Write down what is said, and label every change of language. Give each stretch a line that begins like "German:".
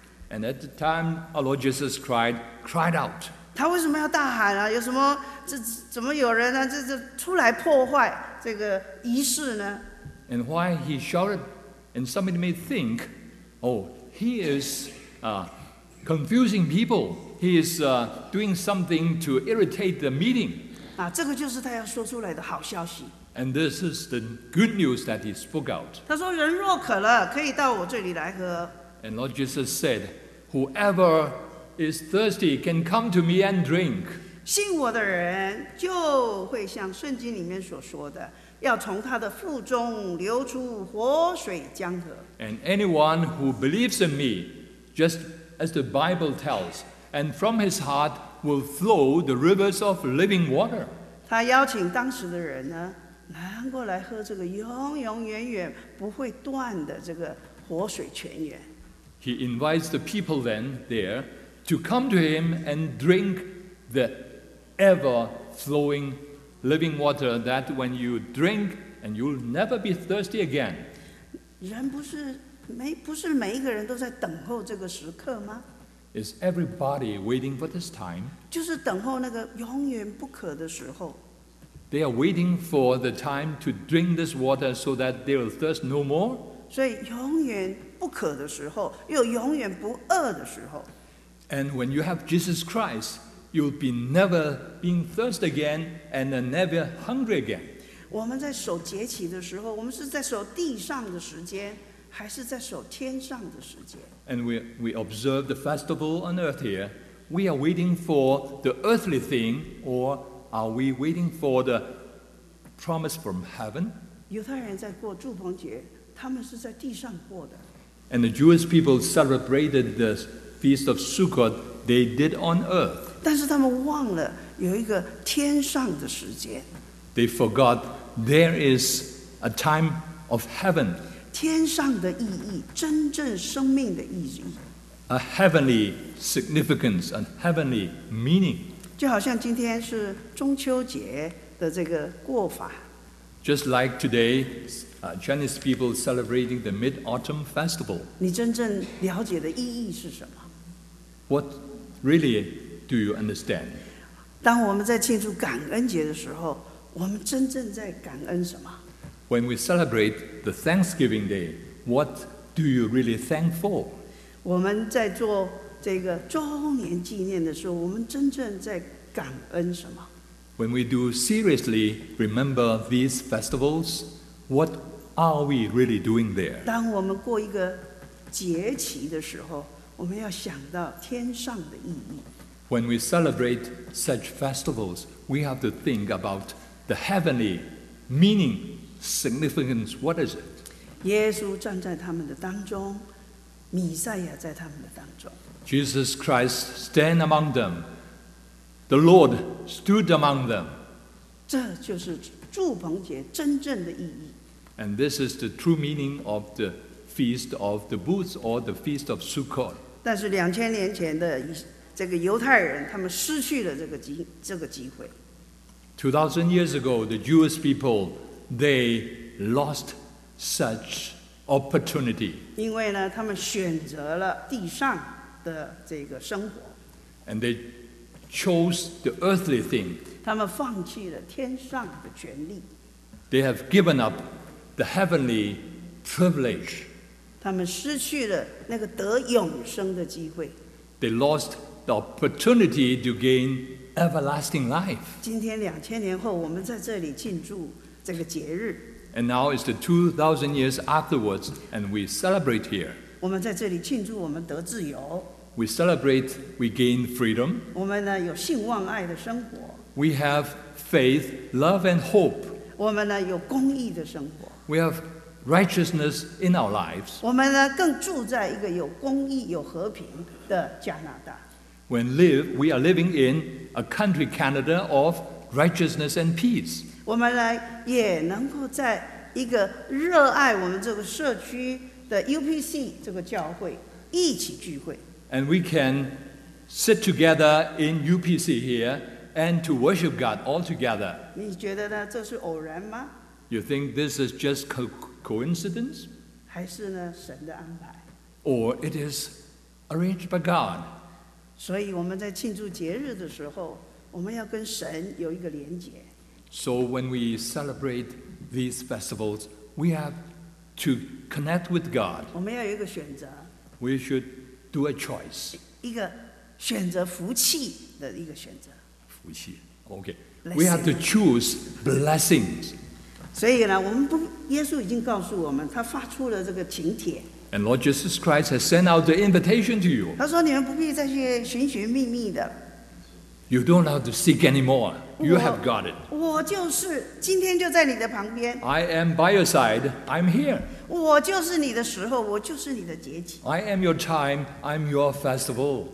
English: And at the time, our Lord Jesus cried out.
Chinese: 他为什么要大喊啊？有什么这怎么有人呢？这出来破坏这个仪式呢？
English: And why he shouted, and somebody may think, oh, he is confusing people. He is doing something to irritate the meeting.
Chinese: 啊，这个就是他要说出来的好消息。
English: And this is the good news that he spoke out.
Chinese: 他说，人若渴了，可以到我这里来喝。
English: And Lord Jesus said, whoever is thirsty can come to me and drink.
Chinese: 信我的人就会像圣经里面所说的，要从他的腹中流出活水江河。
English: And anyone who believes in me, just as the Bible tells,And from his heart will flow the rivers of living water.
Chinese: 他邀请当时的人呢，能够来喝这个永永远远不会断的这个活水泉源。
English: He invites the people then there to come to him and drink the ever-flowing living water that when you drink and you'll never be thirsty again.
Chinese: 人不是每一个人都在等候这个时刻吗？
English: Is everybody waiting for this time?
Chinese: 就是等候那个永远不渴的时候。
English: They are waiting for the time to drink this water so that they will thirst no more.
Chinese: 所以永远不渴的时候，又永远不饿的时候。
English: And when you have Jesus Christ, you'll be never being thirsty again and never hungry again.
Chinese: 我们在守节期的时候，我们是在守地上的时间。还是在守天上的时间。
English: And we observe the festival on earth here. We are waiting for the earthly thing, or are we waiting for the promise from heaven?
Chinese: 犹太人在过祝棚节，他们是在地上过的。
English: And the Jewish people celebrated the feast of Sukkot they did on earth.
Chinese: 但是他们忘了有一个天上的时间。
English: They forgot there is a time of heaven.
Chinese: 天上的意义，真正生命的意义。
English: a heavenly significance and heavenly meaning.
Chinese: 就好像今天是中秋节的这个过法。
English: Just like today, Chinese people celebrating the Mid-Autumn Festival.
Chinese: 你真正了解的意义是什么？
English: What really do you understand?
Chinese: 当我们在庆祝感恩节的时候，我们真正在感恩什么？
English: When we celebrate the Thanksgiving Day, what do you really thank for?
Chinese: 我们在做这个周年纪念的时候，我们真正在感恩什么？
English: When we do seriously remember these festivals, what are we really doing there?
Chinese: 当我们过一个节期的时候，我们要想到天上的意义。
English: When we celebrate such festivals, we have to think about the heavenly meaning, significance. What is it?
Chinese: 耶稣站在他们的当中，弥赛亚在他们的当中。
English: Jesus Christ stand among them. The Lord stood among them.
Chinese: 这就是祝棚节真正的意义。
English: And this is the true meaning of the Feast of the Booths or the Feast of Sukkot.
Chinese: 但是两千年前的这个犹太人，他们失去了这个机会。
English: 2000 years ago, the Jewish people, they lost such opportunity.
Chinese: 因为呢，他们选择了地上的这个生活。
English: And they chose the earthly thing.
Chinese: 他们放弃了天上的权利。
English: They have given up the heavenly privilege.
Chinese: 他们失去了那个得永生的机会。
English: They lost the opportunity to gain everlasting life.
Chinese: 今天两千年后，我们在这里庆祝这个节日。
English: And now it's the 2000 years afterwards, and we celebrate here.
Chinese: 我们在这里庆祝我们得自由。
English: We celebrate, we gain freedom.
Chinese: 我们呢有信望爱的生活。
English: We have faith, love, and hope.
Chinese: 我们呢有公义的生活。
English: We have righteousness in our lives.
Chinese: 我们呢更住在一个有公义、有和平的加拿大。
English: We are living in a country, Canada, of righteousness and peace.
Chinese: 我们呢也能够在一个热爱我们这个社区的 UPC 这个教会一起聚会。
English: And we can sit together in UPC here and to worship God all together.
Chinese: 你觉得呢？这是偶然吗？
English: You think this is just coincidence?
Chinese: 还是呢？神的安排？
English: Or it is arranged by God?
Chinese: 所以我们在庆祝节日的时候，我们要跟神有一个连结。
English: So when we celebrate these festivals, we have to connect with God.
Chinese: 我们要有一个选择。
English: We should Do a choice.
Chinese: 一个选择福气的一个选择。
English: 福气 ，OK。We have to choose blessings.
Chinese: 所以呢，我们不，耶稣已经告诉我们，他发出了这个请帖。
English: And Lord Jesus Christ has sent out the invitation to you.
Chinese: 他说你们不必再去寻寻觅觅的。
English: You don't have to seek anymore. You have got it.
Chinese: 我就是今天就在你的旁边。
English: I am by your side. I'm here.
Chinese: 我就是你的时候，我就是你的节期。
English: I am your time, I'm your festival.